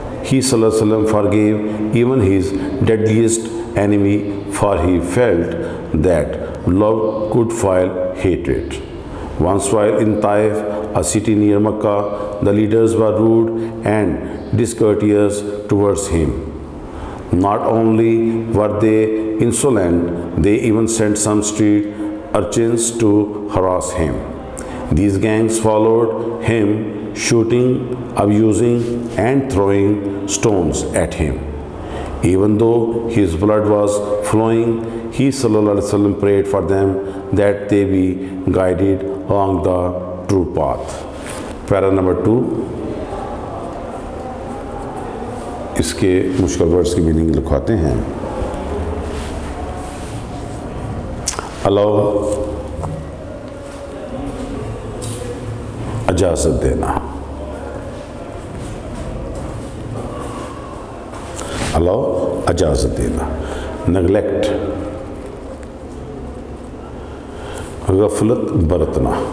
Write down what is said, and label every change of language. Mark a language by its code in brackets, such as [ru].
[en] ہی صلی اللہ علیہ وسلم forgive even his ڈیڈلیسٹ enemy for he felt that love could file hated. Once while in Taif, a city near Makkah, the leaders were rude and discourteous towards him. Not only were they insolent, they even sent some street urchins to harass him. These gangs followed him, shooting, abusing, and throwing stones at him. Even though his blood was flowing, he sallallahu alaihi wasallam prayed for them that they be guided along the true path. Para number 2, [ur] اس کے مشکل words کی meaning لکھواتے ہیں۔ الاؤ اجازت دینا، الاؤ اجازت دینا، neglect غفلت برتنا،